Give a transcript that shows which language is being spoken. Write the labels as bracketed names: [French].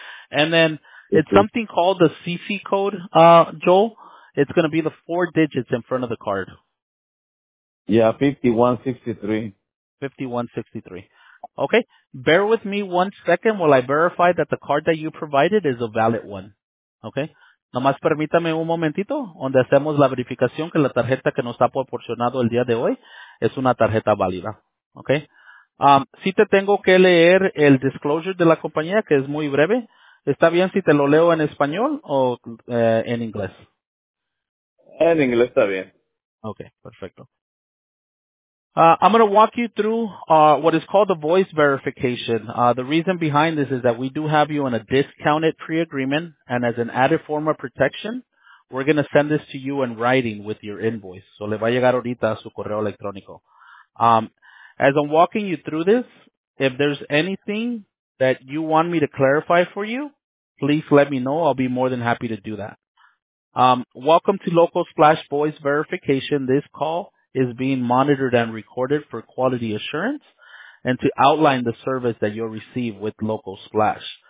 [English] And then, it's something called the CC code, Joel. It's going to be the 4 digits in front of the card. Yeah, 5163. 5163. Okay. Bear with me 1 second while I verify that the card that you provided is a valid one. Okay. [Spanish] Nomás permítame un momentito, donde hacemos la verificación que la tarjeta que nos ha proporcionado el día de hoy es una tarjeta válida. ¿Ok? Sí te tengo que leer el disclosure de la compañía, que es muy breve. ¿Está bien si te lo leo en español o en inglés? En inglés está bien. Ok, perfecto. [English] I'm going to walk you through what is called the voice verification. The reason behind this is that we do have you in a discounted pre-agreement, and as an added form of protection, we're going to send this to you in writing with your invoice. [Spanish] So le va a llegar ahorita a su correo electrónico. [English] As I'm walking you through this, if there's anything that you want me to clarify for you, please let me know. I'll be more than happy to do that. Welcome to Local Splash Voice Verification. This call is being monitored and recorded for quality assurance and to outline the service that you'll receive with Local Splash.